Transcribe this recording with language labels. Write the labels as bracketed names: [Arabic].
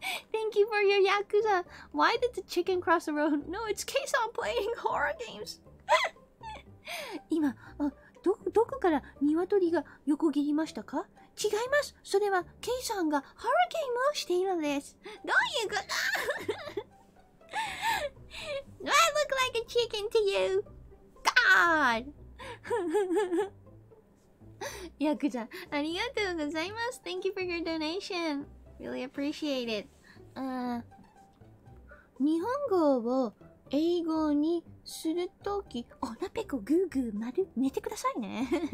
[English] Thank you for your yakuza. Why did the chicken cross the road? No, it's case on playing horror games. [Japanese] 今、どこから鶏が横切りましたか？違います、それはケイさんがハラゲームをしているのです。どういうこと？ [English] Do I look like a chicken to you? God! [Japanese] ヤクザ、ありがとうございます。 [English] Thank you for your donation. Really appreciate it. [Japanese] 日本語を英語にするとき、おなぺこぐーぐー丸、寝てくださいね。